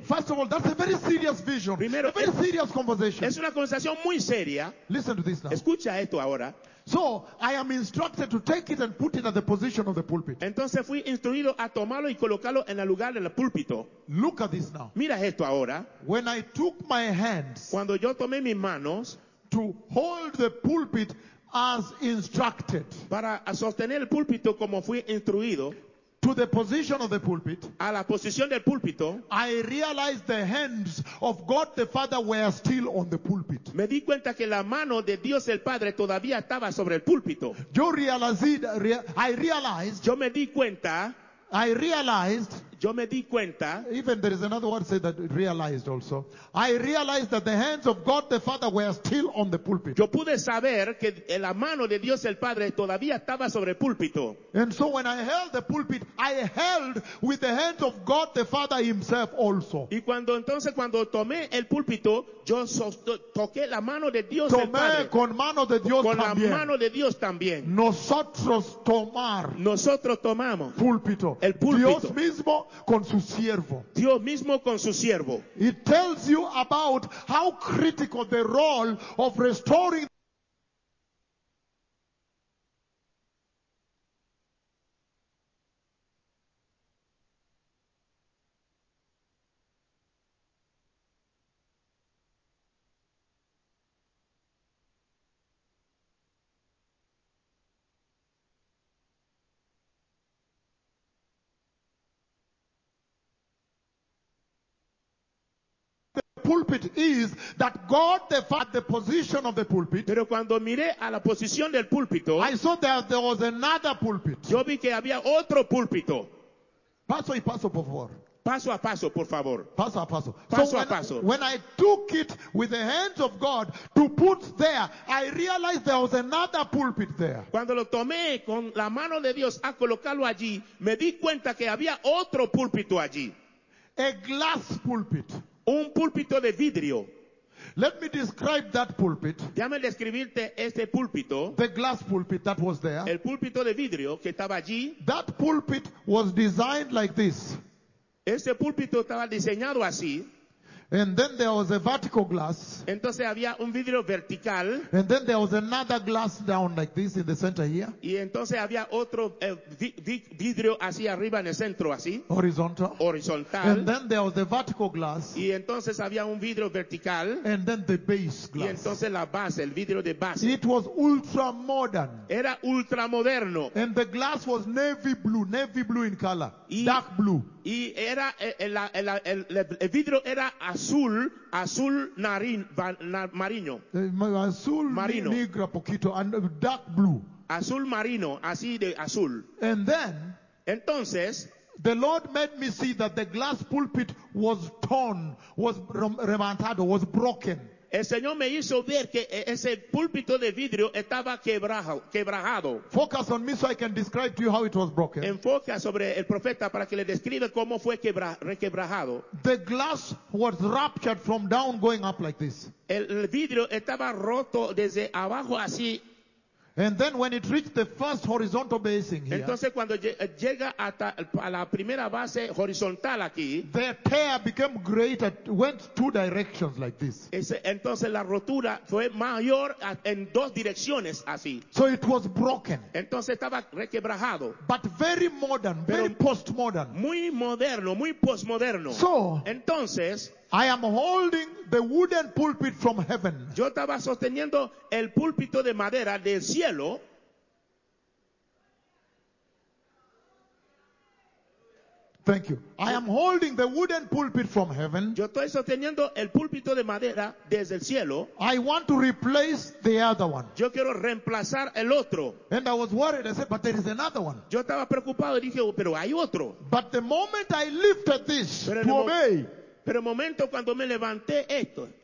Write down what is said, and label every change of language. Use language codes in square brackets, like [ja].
[en] First of all, that's a very serious vision. [es] Primero, [en] a very serious conversation. [es] Es una conversación muy seria. [en] Listen to this now. [es] Escucha esto ahora. [en] So, I am instructed to take it and put it at the position of the pulpit. [es] Entonces fui instruido a tomarlo y colocarlo en el lugar del púlpito. [en] Look at this now. [es] Mira esto ahora. [en] When I took my hands, [es] cuando yo tomé mis manos, [en] to hold the pulpit as instructed. [es] Para sostener el púlpito como fui instruido. [en] To the position of the pulpit. [es] A la posición del púlpito. [en] I realized the hands of God the Father were still on the pulpit. [es] Me di cuenta que la mano de Dios el Padre todavía estaba sobre el púlpito. [en] I realized. Even there is another word said that realized also. I realized that the hands of God the Father were still on the pulpit. [es] Yo pude saber que la mano de Dios el Padre todavía estaba sobre el púlpito. [en] And so when I held the pulpit, I held with the hands of God the Father himself also. [es] Y cuando entonces cuando tomé el púlpito, yo toqué la mano de Dios tomé el Padre. Tomé con mano de Dios con también. Con la mano de Dios también. Nosotros tomar. Nosotros tomamos. Púlpito. El púlpito. Dios mismo con su siervo. Dios mismo con su siervo. [en] It tells you about how critical the role of restoring. Pulpit is that God the Father, the position of the pulpit. [es] Pero cuando miré a la posición del púlpito, [en] I saw that there was another pulpit. [es] Yo vi que había otro púlpito. Paso y paso, por favor. Paso a paso, por favor. Paso a paso. Paso so a paso. [en] When I took it with the hands of God to put there, I realized there was another pulpit there. [es] Cuando lo tomé con la mano de Dios a colocarlo allí, me di cuenta que había otro púlpito allí. [en] A glass pulpit. [es] Un púlpito de vidrio. [en] Let me describe that pulpit. [es] Déjame describirte este púlpito. [en] The glass pulpit that was there. [es] El púlpito de vidrio que estaba allí. [en] That pulpit was designed like this. [es] Ese púlpito estaba diseñado así. [en] And then there was a vertical glass. [es] Entonces había un vidrio vertical. [en] And then there was another glass down like this in the center here. [es] Y entonces había otro vidrio así arriba en el centro así. [en] Horizontal. [es] Horizontal. [en] And then there was a vertical glass. [es] Y entonces había un vidrio vertical. [en] And then the base glass. [es] Y entonces la base, el vidrio de base. [en] It was ultra modern. [es] Era ultra moderno. [en] And the glass was navy blue in color. Dark blue. [es] Y era el vidrio era azul, azul marino. Azul marino. Negro poquito, [en] and dark blue. [es] Azul marino, así de azul. [en] And then, [es] entonces, [en] the Lord made me see that the glass pulpit was torn, was remontado, was broken. [es] El Señor me hizo ver que ese púlpito de vidrio estaba quebrajado. [en] Focus on me so I can describe to you how it was broken. [es] Enfoca sobre el profeta para que le describa cómo fue requebrajado. [en] The glass was ruptured from down going up like this. [es] El vidrio estaba roto desde abajo así. [en] And then when it reached the first horizontal basing here, [es] entonces cuando llega hasta la primera base horizontal aquí, [en] the tear became greater, went two directions like this. [es] Entonces la rotura fue mayor en dos direcciones así. [en] So it was broken. [es] Entonces estaba requebrajado. [en] But very modern, very postmodern. [es] Muy moderno, muy postmoderno. [en] So, [es] entonces, [en] I am holding the wooden pulpit from heaven. [es] Yo estaba sosteniendo el púlpito de madera del cielo. [en] Thank you. I am holding the wooden pulpit from heaven. [es] Yo estoy sosteniendo el púlpito de madera desde el cielo. [en] I want to replace the other one. [es] Yo quiero reemplazar el otro. [en] And I was worried. I said, but there is another one. [es] Yo estaba preocupado y dije, pero hay otro. [en] But the moment I lifted this [es] pero [en] to obey, [es] pero el momento cuando me levanté esto